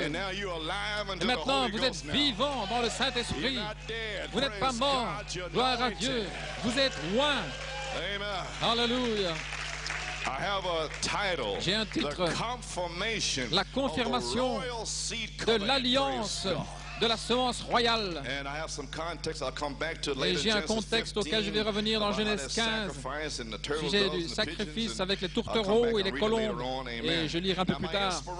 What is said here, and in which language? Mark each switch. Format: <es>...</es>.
<fr>Et maintenant, vous êtes vivant dans le Saint-Esprit. Vous n'êtes pas mort. Gloire à Dieu. Vous êtes loin. Alléluia.</fr> <en>I have a title,</en> <fr>j'ai un titre,</fr> <en>the confirmation,</en> <fr>la confirmation</fr> <en>of the royal seed covenant,</en> <fr>de l'alliance de la semence royale.</fr> <en>And I have some context, I'll come back to later.</en> <fr>Et j'ai un contexte auquel je vais revenir dans Genèse 15, au sujet du sacrifice avec les tourtereaux et les colombes, et je lirai un peu plus tard.</fr>